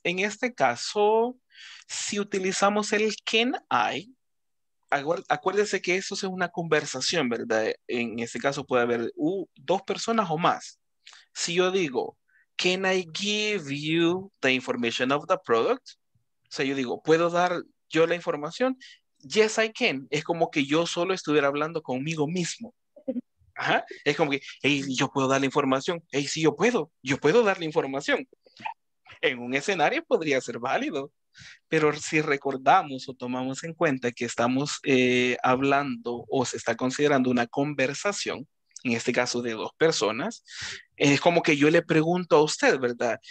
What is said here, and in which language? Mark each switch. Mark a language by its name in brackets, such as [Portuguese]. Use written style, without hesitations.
[Spanish] en este caso, si utilizamos el can I, acuérdese que eso es una conversación, ¿verdad? En este caso puede haber dos personas o más. Si yo digo, [English] can I give you the information of the product? [Spanish] O sea, yo digo, ¿puedo dar yo la información? [English] Yes, I can. [Spanish] Es como que yo solo estuviera hablando conmigo mismo. Ajá. Es como que, hey, yo puedo dar la información. Hey, sí, yo puedo dar la información. En un escenario podría ser válido. Pero si recordamos o tomamos en cuenta que estamos hablando o se está considerando una conversación, en este caso de dos personas, es como que yo le pregunto a usted, ¿verdad?